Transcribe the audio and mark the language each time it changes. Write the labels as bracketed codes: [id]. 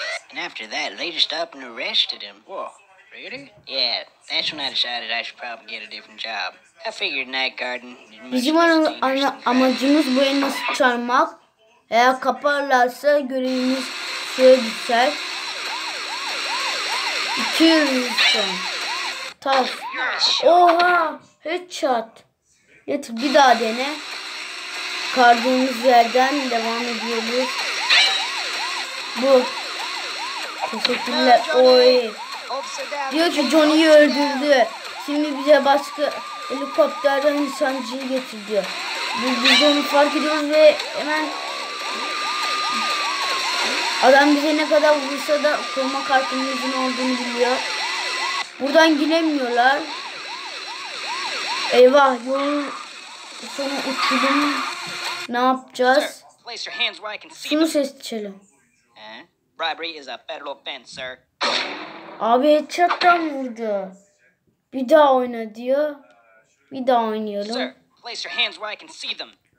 [en] And after that, they just up and arrested him. Whoa, really? Yeah, that's when I decided I should probably get a different job. I figured night garden. [tr] Bizim amacımız bu elması çalmak. Eğer kaparlarsa görevimiz şöyle düşer. 200 taş. Oha, headshot. Yeter, bir daha dene. Kardığımız yerden devam ediyoruz. Bu. Teşekkürler. Oy. Diyor ki Johnny'yi öldürdü. Şimdi bize başka helikopterden insancıyı getir diyor. Biz bunu fark ediyoruz ve hemen adam bize ne kadar vursa da koruma kartımızın olduğunu biliyor. Buradan giremiyorlar. Eyvah, yolun sonu uçurum. Ne yapacağız? Şunu seçelim. [en] Bribery is a federal offense, sir. [tr] Abi headshot'tan vurdu. Bir daha oyna diyor. Bir daha oynayalım. [en] Sir, place your hands where I can see them.